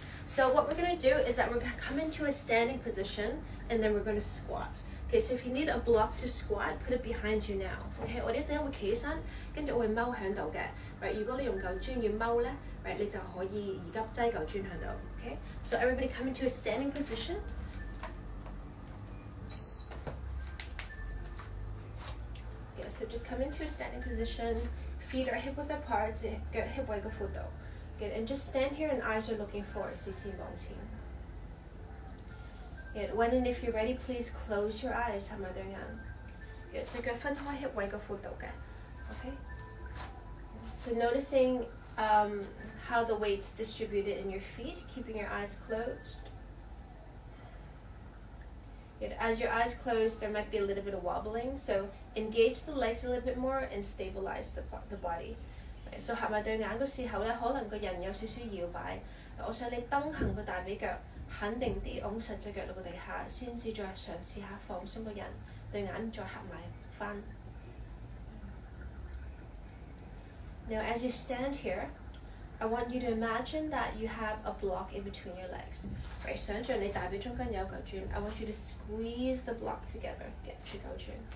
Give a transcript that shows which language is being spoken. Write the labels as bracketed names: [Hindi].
[English] So what we're going to do is that we're going to come into a standing position and then we're going to squat. Okay, so if you need a block to squat, put it behind you now. [Cantonese] Okay, 我哋一陣會企起身，跟住我會踎喺度嘅。 Right, 如果你用舊磚要踎咧，right, 你就可以而家擠舊磚喺度。 [English] Okay, so everybody come into a standing position. Yeah, so just come into a standing position. Feet are hip width apart. [Cantonese] 嘅，hip width嘅幅度。 [English] Good, and just stand here and eyes are looking forward. [Cantonese] 視線望前。 [English] Good, when and if you're ready, please close your eyes. [Cantonese] 係咪對眼？Good, 這個分開 hip width 嘅幅度嘅。Okay. [English] So noticing how the weight's distributed in your feet, keeping your eyes closed. Good, as your eyes close, there might be a little bit of wobbling. So engage the legs a little bit more and stabilize the body. [Cantonese] So 合埋對眼嗰時候咧，可能個人有少少搖擺。我想你蹬行個大髀腳，肯定啲，拱實隻腳落個地下，先至再嘗試下放鬆個人，對眼再合埋翻。 [English] Now as you stand here, I want you to imagine that you have a block in between your legs. Right, [Cantonese] 想像你大髀中間有嚿磚, [English] I want you to squeeze the block together, get to 嚿磚.